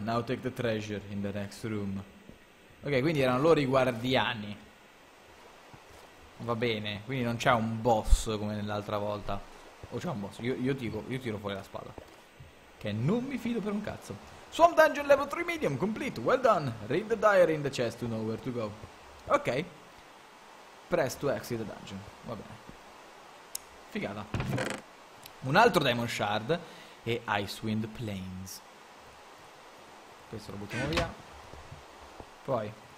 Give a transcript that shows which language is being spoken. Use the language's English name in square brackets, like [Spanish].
[English] Now take the treasure in the next room. [Italian] Ok, quindi erano loro i guardiani. Va bene, quindi non c'è un boss come nell'altra volta. O c'è un boss, io tiro fuori la spada. Che non mi fido per un cazzo. [English] Swamp Dungeon Level 3 Medium, complete, well done. Read the diary in the chest to know where to go. Ok. Press to exit the dungeon, [Italian] va bene. Figata. Un altro Demon Shard e Icewind Plains. Questo lo buttiamo via. Poi.